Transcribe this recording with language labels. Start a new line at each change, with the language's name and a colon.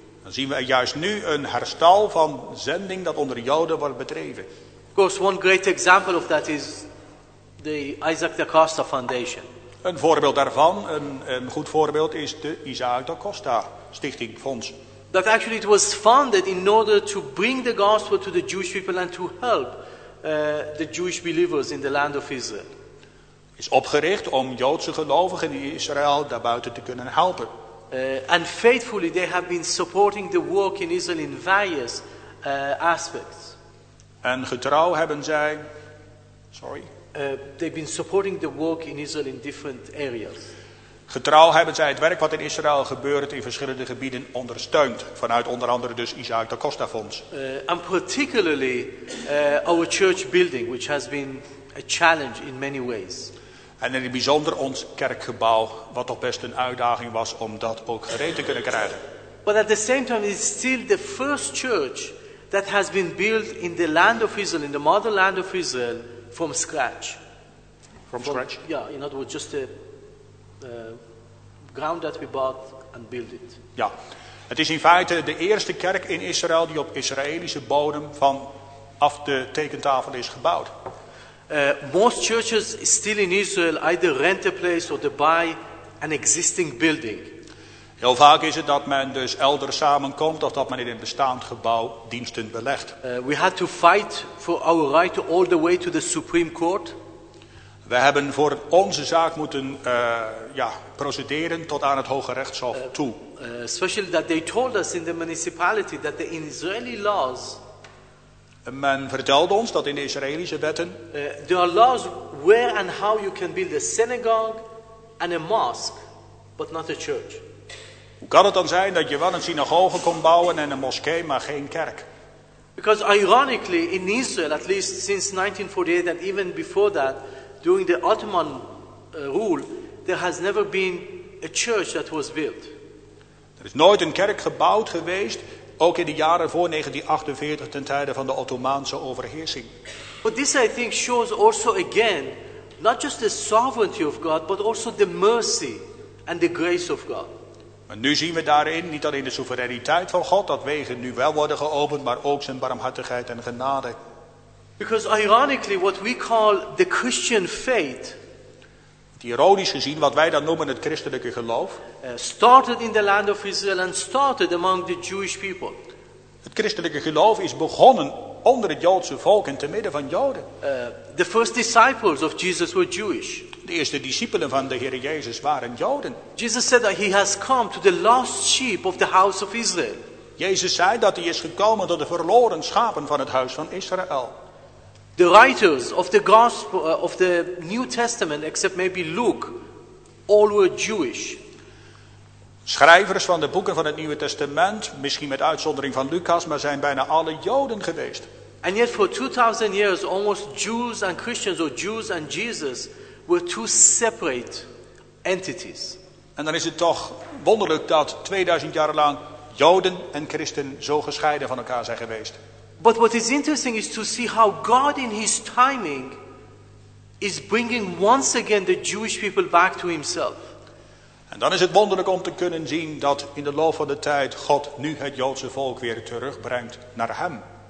Dutch: Dan zien we juist nu een herstel van zending dat onder Joden wordt bedreven.
English: Of course, one great example of that is the Isaac da Costa Foundation.
Dutch: Een voorbeeld daarvan, een goed voorbeeld is de Isaac da Costa Stichting Fonds.
English: That actually it was founded in order to bring the gospel to the Jewish people and to help the Jewish believers in the land of Israel.
Dutch: Is opgericht om Joodse gelovigen in Israël daarbuiten te kunnen helpen.
English: And faithfully they have been supporting the work in Israel in various aspects.
Dutch: En getrouw hebben zij, sorry.
English: They've been supporting the work in Israel in different areas.
Dutch: Getrouw hebben zij het werk wat in Israël gebeurt in verschillende gebieden ondersteund. Vanuit onder andere dus Isaac da Costa Fonds.
English: And particularly our church building, which has been a challenge in many ways.
Dutch: En in het bijzonder ons kerkgebouw, wat toch best een uitdaging was om dat ook gereed te kunnen krijgen.
English: But at the same time, it's still the first church that has been built in the land of Israel, in the mother land of Israel, from scratch. From scratch? Yeah, in other words, just a ground that we bought and built it.
Dutch: Ja, het is in feite de eerste kerk in Israël die op Israëlische bodem vanaf de tekentafel is gebouwd.
English: Most churches still in Israel either rent a place or they buy an existing building.
Dutch: Heel vaak is het dat men dus elders samenkomt of dat men in een bestaand gebouw diensten belegt.
English: We had to fight for our right all the way to the Supreme Court.
Dutch: We hebben voor onze zaak moeten procederen tot aan het Hoge Rechtshof toe.
English: Especially that they told us in the municipality that the Israeli laws.
Dutch: Men vertelde ons dat in de Israëlische wetten.
English: There are laws where and how you can build a synagogue and a mosque, but not a church.
Dutch: Hoe kan het dan zijn dat je wel een synagoge kon bouwen en een moskee, maar geen kerk?
English: Because ironically, in Israel, at least since 1948 and even before that, during the Ottoman rule, there has never been a church that was built.
Dutch: Er is nooit een kerk gebouwd geweest. Ook in de jaren voor 1948 ten tijde van de Ottomaanse overheersing.
English: But this I think shows also again not just the sovereignty of God but also the mercy and the grace of God.
Dutch: Maar nu zien we daarin niet alleen de soevereiniteit van God dat wegen nu wel worden geopend maar ook zijn barmhartigheid en genade.
English: Because ironically what we call the Christian faith.
Dutch: Ironisch gezien, wat wij dan noemen het christelijke geloof.
English: Started in the land of Israel and started among the Jewish people.
Dutch: Het christelijke geloof is begonnen onder het Joodse volk en te midden van Joden.
English: The first disciples of Jesus were Jewish.
Dutch: De eerste discipelen van de Heer Jezus waren Joden.
English: Jesus said that he has come to the lost sheep of the house of Israel.
Dutch: Jezus zei dat hij is gekomen tot de verloren schapen van het huis van Israël.
English: The writers of the gospel of the New Testament, except maybe Luke, all were Jewish.
Dutch: Schrijvers van de boeken van het Nieuwe Testament, misschien met uitzondering van Lucas, maar zijn bijna alle Joden geweest.
English: And yet for 2000 years, almost Jews and Christians, or Jews and Jesus, were two separate entities.
Dutch: En dan is het toch wonderlijk dat 2000 jaar lang Joden en Christen zo gescheiden van elkaar zijn geweest.
English: But what is interesting is to see how God in his timing is bringing once again the Jewish people back to himself.
Dutch: En dan is het wonderlijk om te kunnen zien dat in de loop van de tijd God nu het Joodse volk weer terugbrengt naar hem.